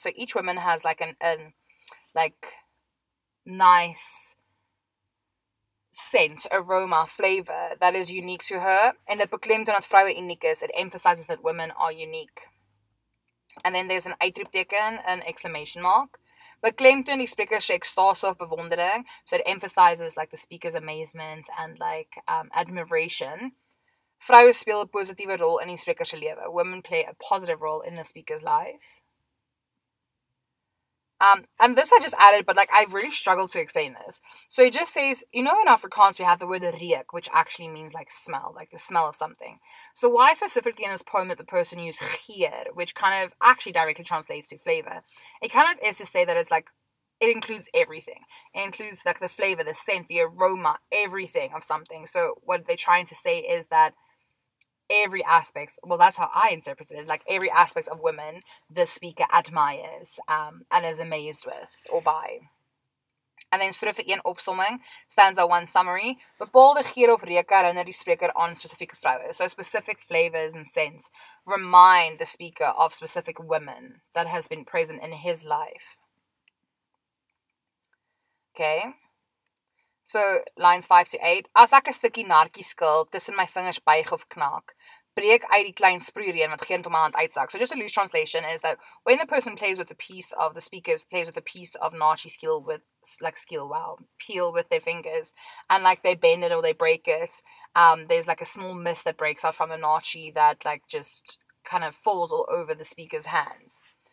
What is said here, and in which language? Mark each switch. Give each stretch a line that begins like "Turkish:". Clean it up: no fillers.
English: So each woman has like an like nice scent, aroma, flavor that is unique to her.
Afrikaans: En dit beklemtoon dat vroue uniek is.
English: It emphasizes that women are unique. And then there's an
Afrikaans: uitroepteken,
English: an exclamation mark.
Afrikaans: Beklemtoon die spreker se ekstase of bewondering.
English: So it emphasizes like the speaker's amazement and like admiration.
Afrikaans: Vroue speel 'n positiewe rol in die spreker se lewe.
English: Women play a positive role in the speaker's life. And this I just added, but like I really struggled to explain this. So it just says, you know, in Afrikaans we have the word reuk, which actually means like smell, like the smell of something. So why specifically in this poem that the person used geur, which kind of actually directly translates to flavor? It kind of is to say that it's like it includes everything. It includes like the flavor, the scent, the aroma, everything of something. So what they're trying to say is that every aspect, well, that's how I interpreted it, like every aspect of women the speaker admires and is amazed with or by. And then sort of
Afrikaans: een opsomming,
English: stanza one summary,
Afrikaans: bepaalde geur of reuk herinner die spreker aan spesifieke vroue.
English: So specific flavors and scents remind the speaker of specific women that has been present in his life. Okay. So lines 5 to 8.
Afrikaans: As ek 'n stukkie naartjie skil tussen my vingers buig of knaak. Breek uit die klein sproeireën wat geen tot my hand uitsak.
English: So just a loose translation is that when the person plays with a piece of, the speaker plays with a piece of nachi skill with, like skill, wow, peel with their fingers, and like they bend it or they break it, there's like a small mist that breaks out from the nachi that like just kind of falls all over the speaker's hands.